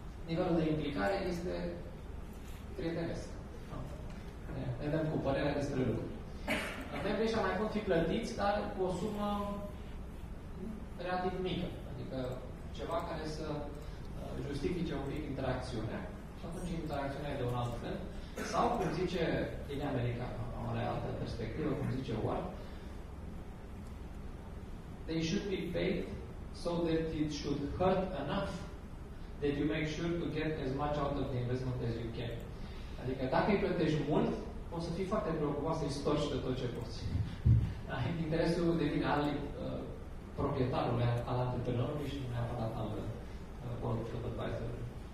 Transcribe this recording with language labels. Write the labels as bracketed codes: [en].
[ro] Nivelul de implicare este prietenesc. Ne dăm cu părerea despre lucruri. Membrii ăștia mai pot fi plătiți, dar cu o sumă relativ mică. Adică ceva care să justifice un pic interacțiunea. Și atunci interacțiunea e de un alt fel. Sau, cum zice din America, o altă perspectivă, cum zice Ward, [en] they should be paid so that it should hurt enough that you make sure to get as much out of the investment as you can. [ro] Adică dacă îi plătești mult, o să fii foarte preocupat să-i storci de tot ce poți. Interesul devine al proprietarului, al antreprenorului și nu neapărat al board advisor-ului.